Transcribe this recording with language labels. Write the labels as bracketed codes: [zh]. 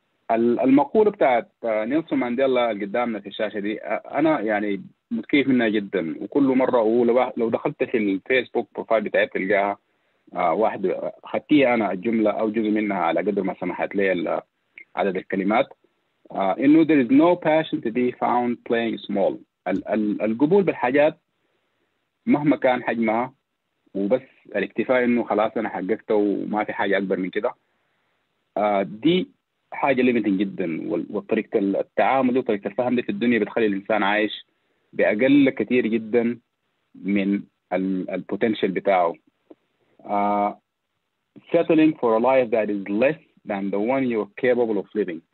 [ar] المقوله بتاعت نيلسون مانديلا اللي قدامنا في الشاشه دي انا يعني متكيف منها جدا، وكل مره اقول لو دخلت في الفيسبوك بروفايل بتاعي تلقاها واحد خدتيها انا الجمله او جزء منها على قدر ما سمحت لي عدد الكلمات. [en] انه there is no passion to be found playing small. [ar] القبول بالحاجات مهما كان حجمها، وبس الاكتفاء انه خلاص انا حققته وما في حاجه اكبر من كده، دي حاجه ليميتنج جدا. وطريقه التعامل وطريقه الفهم دي في الدنيا بتخلي الانسان عايش باقل كثير جدا من البوتنشال بتاعه. [en] Settling for a life that is less than the one you are capable of living.